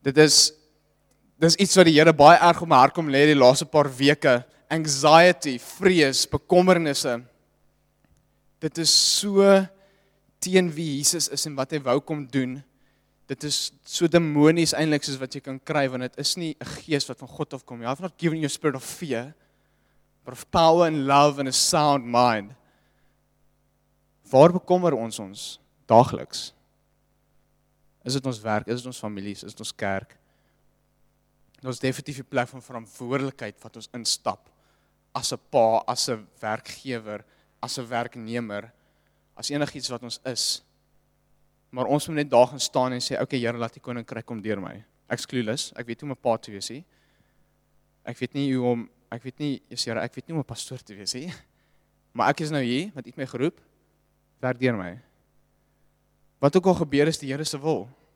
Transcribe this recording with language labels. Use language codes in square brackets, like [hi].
[af] Dit is iets wat die Here baie erg op my hart kom lê die laaste paar weke. Anxiety, vrees, bekommernisse. Dit is so teen wie Jesus is en wat hy wou kom doen. Dit is so demonies eintlik soos wat jy kan kry, want dit is nie 'n gees wat van God afkom nie. [en] I've not given you a spirit of fear, but of power and love and a sound mind. [af] Waar bekommer ons ons daagliks? Is dit ons werk? Is dit ons families? Is dit ons kerk? Ons definitief die plek van verantwoordelikheid wat ons instap as 'n pa, as 'n werkgewer, as 'n werknemer, as enigiets wat ons is. Maar ons moet net daar gaan staan en sê, oké, Here, laat die koninkryk kom deur my. Ek is clueless, ek weet nie om 'n pa te wees nie. Ek weet nie hoe om, ek weet nie, Jesus Here, ek weet nie om 'n pastoor te wees nie. Maar ek is nou hier, want U het my geroep, werk deur my. Wat ook al gebeur is die Here se wil.